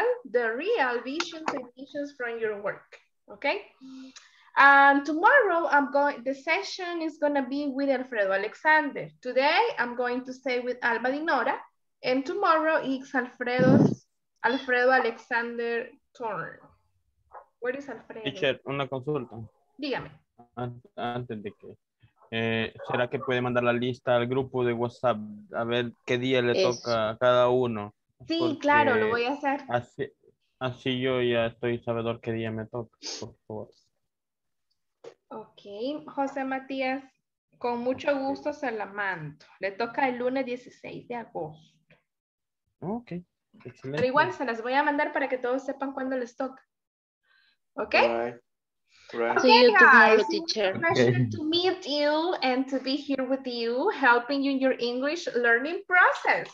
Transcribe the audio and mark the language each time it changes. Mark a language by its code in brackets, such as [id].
[en] The real visions and missions from your work, okay? Tomorrow the session is gonna be with Alfredo Alexander. Today I'm going to stay with Alba Dinora, and tomorrow it's Alfredo Alexander turn. Where is Alfredo? [es] Teacher, una consulta. Dígame. Antes de que, ¿será que puede mandar la lista al grupo de WhatsApp a ver qué día le toca a cada uno? Sí, porque claro, lo voy a hacer. Así yo ya estoy sabedor qué día me toca, por favor. Okay, José Matías, con mucho gusto se la mando. Le toca el lunes 16 de agosto. Ok, excelente. Pero igual se las voy a mandar para que todos sepan cuándo les toca. Ok. [en] Right. Okay, see you guys. Teacher. Pleasure to meet you and to be here with you, helping you in your English learning process.